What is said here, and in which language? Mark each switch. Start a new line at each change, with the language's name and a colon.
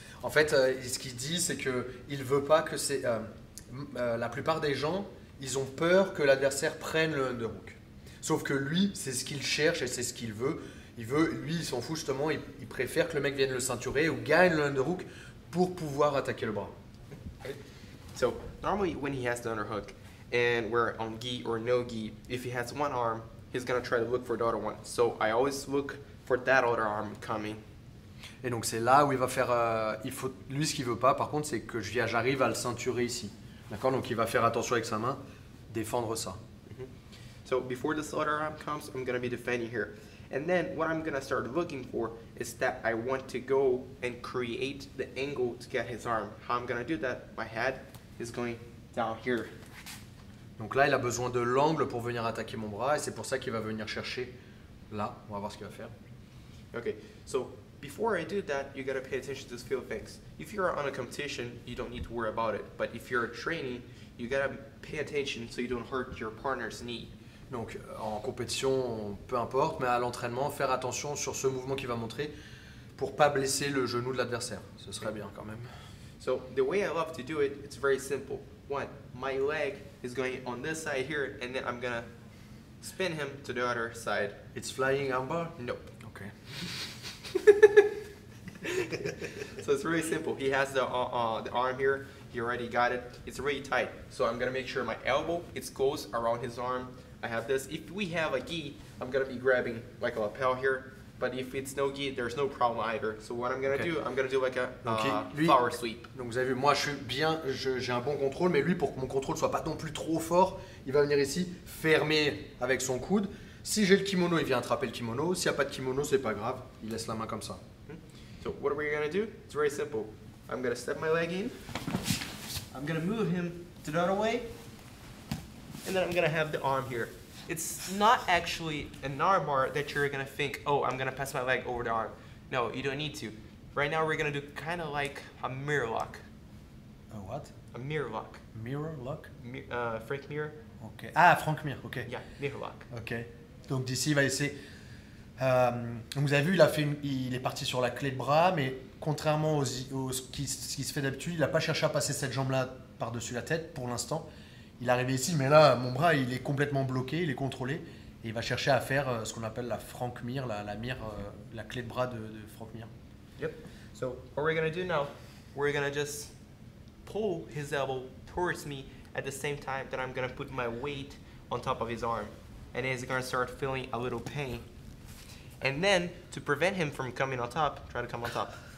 French: En fait, ce qu'il dit, c'est que il veut pas que c'est la plupart des gens, ils ont peur que l'adversaire prenne le underhook. Sauf que lui, c'est ce qu'il cherche et c'est ce qu'il veut. Il veut, lui, il s'en fout justement. Il préfère que le mec vienne le ceinturer ou gagne le underhook pour pouvoir attaquer le bras.
English: So normally, when he has the underhook and we're on gi or no gi, if he has one arm, he's gonna try to look for the other one. So I always look for that other arm coming.
French: Et donc c'est là où il va faire, il faut, lui ce qu'il veut pas par contre c'est que j'arrive à le ceinturer ici. D'accord, donc il va faire attention avec sa main, défendre ça.
English: So before this other arm comes, I'm gonna be defending here. And then what I'm gonna start looking for is that I want to go and create the angle to get his arm. How I'm gonna do that, my head is going down here.
French: Donc là il a besoin de l'angle pour venir attaquer mon bras et c'est pour ça qu'il va venir chercher là, on va voir ce qu'il va faire.
English: Okay, so before I do that, you gotta pay attention to a few things. If you're on a competition, you don't need to worry about it. But if you're training, you gotta pay attention so you don't hurt your partner's knee.
French: Donc en compétition, peu importe, mais à l'entraînement, faire attention sur ce mouvement qu'il va montrer pour pas blesser le genou de l'adversaire. Ce serait okay. Bien quand même.
English: So the way I love to do it, it's very simple. One, my leg is going on this side here, and then I'm gonna spin him to the other side. It's flying armbar? Nope. Okay. So it's really simple. He has the arm here. He already got it. It's really tight. So I'm gonna make sure my elbow it goes around his arm. I have this. If we have a gi, I'm gonna be grabbing like a lapel here. But if it's no gi, there's no problem either. So what I'm gonna okay. Do? I'm gonna do like a flower sweep.
French: Donc vous avez vu, moi je suis bien, j'ai un bon contrôle. Mais lui, pour que mon contrôle soit pas non plus trop fort, il va venir ici fermer avec son coude. Si j'ai le kimono, il vient attraper le kimono. S'il n'y a pas de kimono, c'est pas grave. Il laisse la main comme ça.
English: So what are we gonna do? It's very simple. I'm gonna step my leg in. I'm gonna move him to the other way. And then I'm gonna have the arm here. It's not actually an arm bar that you're gonna think, oh, I'm gonna pass my leg over the arm. No, you don't need to. Right now we're gonna do kind of like a mirror lock. A what? A mirror lock. Mirror lock? Frank Mir. Okay. Ah, Frank Mir, okay. Yeah, mirror lock.
French: Okay. Donc d'ici il va essayer. Vous avez vu, il est parti sur la clé de bras, mais contrairement à ce qui se fait d'habitude, il n'a pas cherché à passer cette jambe-là par-dessus la tête pour l'instant. Il est arrivé ici, mais là, mon bras, il est complètement bloqué, il est contrôlé, et il va chercher à faire ce qu'on appelle la Frank Mir, la clé de bras de Frank Mir.
English: Yep. So what we're gonna do now, we're gonna just pull his elbow towards me at the same time that I'm gonna put my weight on top of his arm. And he's gonna start feeling a little pain. And then, to prevent him from coming on top, try to come on top.